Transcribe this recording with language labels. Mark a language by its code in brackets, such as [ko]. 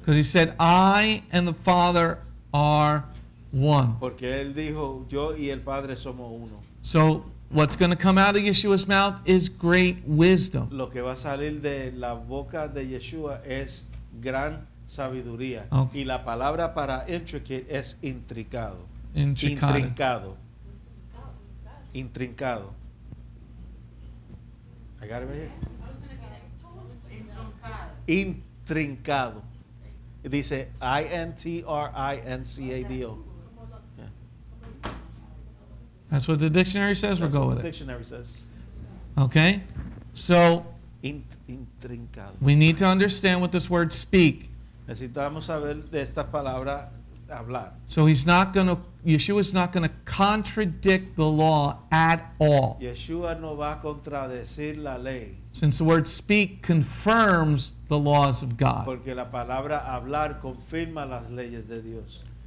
[en] Because he said, I and the Father are one. [es] Porque él dijo, yo y el Padre somos uno. [en] So what's going to come out of Yeshua's mouth is great wisdom. [es] Lo que va a salir de la boca de Yeshua es gran sabiduría. [en] Okay. [es] Y la palabra para intricate es intricado. Intricado. Intrincado. Intrincado. [en] I got it right here. Intrincado. [es] Dice I-N-T-R-I-N-C-A-D-O. [en] That's what the dictionary says. That's or go what with the it. Dictionary says. Okay, so [es] intrincado. [en] We need to understand what this word speak. [es] Necesitamos saber de esta palabra hablar. [en] So he's not going to. Yeshua is not going to contradict the law at all. [es] Yeshua no va a contradecir la ley. [en] Since the word speak confirms the laws of God. [es] Porque la palabra hablar confirma las leyes de Dios.